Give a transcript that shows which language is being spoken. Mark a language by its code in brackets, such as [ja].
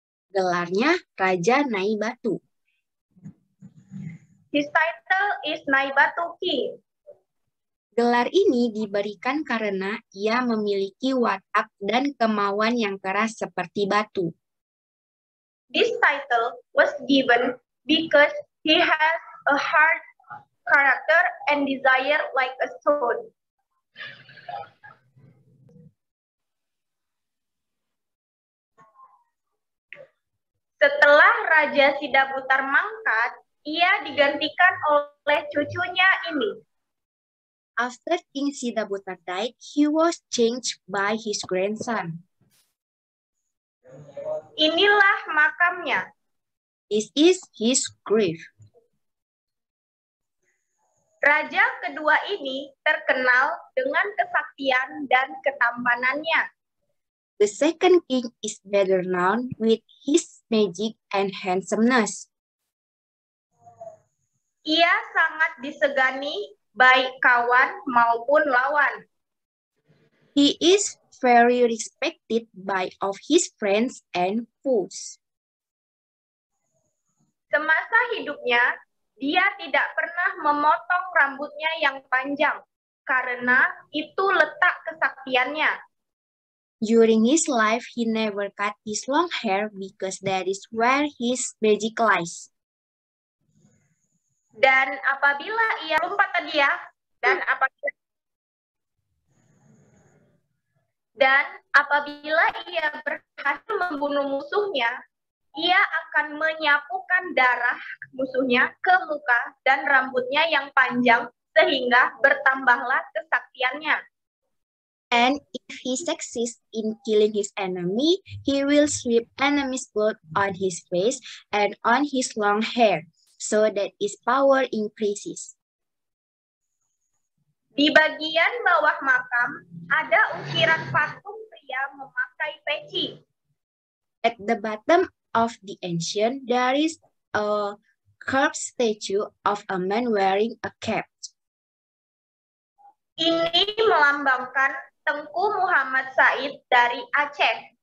[id] Gelarnya Raja Nai Batu. [en] His title is Nai Batu King. [id] Gelar ini diberikan karena ia memiliki watak dan kemauan yang keras seperti batu. [en] This title was given because he has a hard character and desire like a stone. [id] Setelah Raja Sidabutar mangkat, ia digantikan oleh cucunya ini. [en] After King Sidabutar died, he was changed by his grandson. [id] Inilah makamnya. [en] This is his grave. [id] Raja kedua ini terkenal dengan kesaktian dan ketampanannya. [en] The second king is better known with his magic and handsomeness. [id] Ia sangat disegani baik kawan maupun lawan. [en] He is very respected by of his friends and foes. [id] Semasa hidupnya, dia tidak pernah memotong rambutnya yang panjang karena itu letak kesaktiannya. [en] During his life, he never cut his long hair because that is where his magic lies. [id] Dan apabila ia lompat tadi ya, dan apabila ia berhasil membunuh musuhnya, ia akan menyapukan darah musuhnya ke muka dan rambutnya yang panjang sehingga bertambahlah kesaktiannya. [en] And if he succeeds in killing his enemy, he will sweep enemy's blood on his face and on his long hair, so that his power increases. [id] Di bagian bawah makam, ada ukiran patung pria memakai peci. [en] At the bottom of the ancient, there is a carved statue of a man wearing a cap. [id] Ini melambangkan Tengku Muhammad Said dari Aceh.